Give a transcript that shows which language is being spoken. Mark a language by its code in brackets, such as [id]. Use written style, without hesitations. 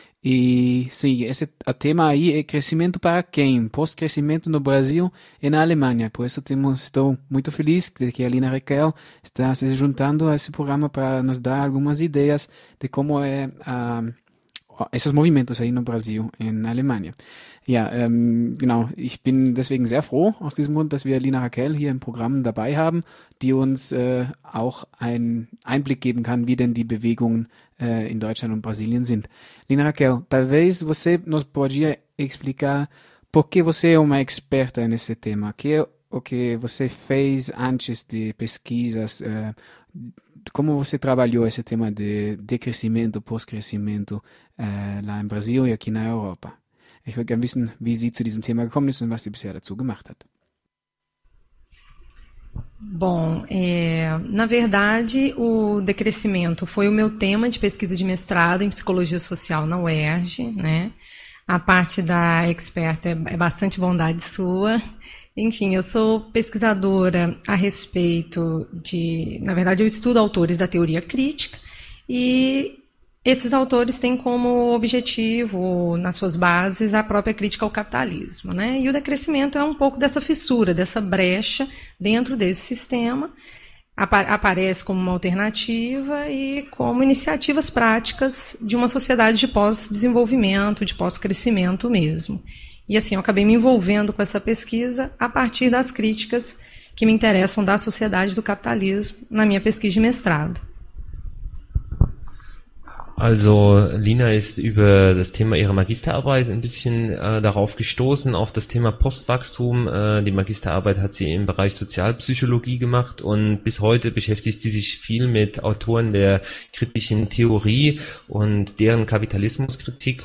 [pt] E, sim, esse o tema aí é crescimento para quem? Pós-crescimento no Brasil e na Alemanha. Por isso estou muito feliz de que a Lina Raquel está se juntando a esse programa para nos dar algumas ideias de como é esses movimentos aí no Brasil e na Alemanha. [de] Ja, genau. Ich bin deswegen sehr froh aus diesem Grund, dass wir Lina Raquel hier im Programm dabei haben, die uns auch einen Einblick geben kann, wie denn die Bewegungen in Deutschland und Brasilien sind. [pt] Lina Raquel, talvez você nos podia explicar por que você é uma experta nesse tema, o que você fez antes de pesquisas como você trabalhou esse tema de decrescimento, pós-crescimento lá em Brasil e aqui na Europa? [de] Ich würde gerne wissen, wie Sie zu diesem Thema gekommen ist und was Sie bisher dazu gemacht hat. [pt] Bom, na verdade, o decrescimento foi o meu tema de pesquisa de mestrado em psicologia social na UERJ, né? A parte da expert é bastante bondade sua. Enfim, eu sou pesquisadora a respeito de... Na verdade, eu estudo autores da teoria crítica e esses autores têm como objetivo, nas suas bases, a própria crítica ao capitalismo, né? E o decrescimento é um pouco dessa fissura, dessa brecha dentro desse sistema, aparece como uma alternativa e como iniciativas práticas de uma sociedade de pós-desenvolvimento, de pós-crescimento mesmo. E assim, eu acabei me envolvendo com essa pesquisa a partir das críticas que me interessam da sociedade do capitalismo na minha pesquisa de mestrado. [de] Also, Lina ist über das Thema ihrer Magisterarbeit ein bisschen darauf gestoßen, auf das Thema Postwachstum. Die Magisterarbeit hat sie im Bereich Sozialpsychologie gemacht und bis heute beschäftigt sie sich viel mit Autoren der kritischen Theorie und deren Kapitalismuskritik.